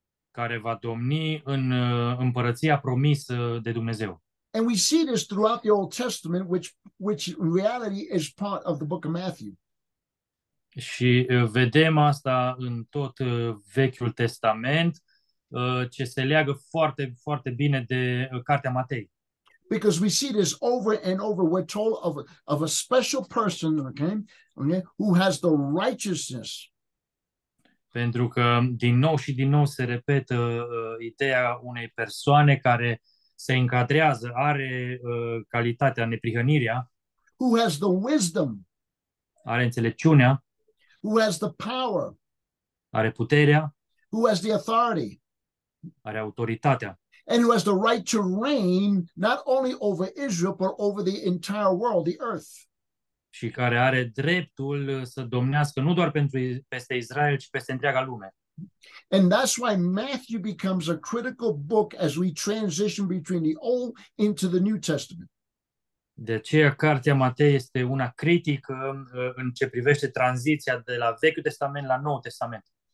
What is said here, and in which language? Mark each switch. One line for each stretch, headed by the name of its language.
Romanian: Care va domni în împărăția promisă de Dumnezeu.
English: And we see this throughout the Old Testament, which in reality is part of the book of Matthew.
Romanian: Și vedem asta în tot Vechiul Testament, ce se leagă foarte, foarte bine de cartea Matei.
English: Because we see this over and over, we're told of a special person, okay, who has the righteousness.
Romanian: Pentru că din nou și din nou se repetă ideea unei persoane care se încadrează, are calitatea, neprihănirea.
English: Who has the wisdom.
Romanian: Are înțelepciunea.
English: Who has the power.
Romanian: Are puterea.
English: Who has the authority.
Romanian: Are autoritatea.
English: And who has the right to reign not only over Israel, but over the entire world, the earth.
Romanian: Și care are dreptul să domnească nu doar pentru peste Israel, ci peste întreaga lume.
English: And that's why Matthew becomes a critical book as we transition between the Old into the New Testament.
Romanian: De aceea cartea Matei este una critică în ce privește tranziția de la Vechiul Testament la Noul Testament.